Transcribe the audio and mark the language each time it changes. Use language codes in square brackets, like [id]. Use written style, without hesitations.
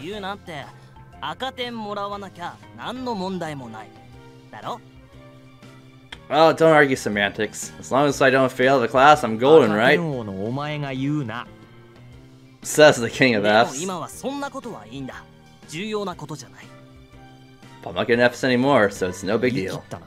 [ja] 言うなって、赤点もらわなきゃ何の問題もない。だろ? [en] Oh, don't argue semantics. As long as I don't fail the class, I'm golden, right? [ja] 赤点王のお前が言うな。 [en] Says the king of Fs. [ja] でも今はそんなことはいいんだ。重要なことじゃない。 [en] But I'm not getting F's anymore, so it's no big deal.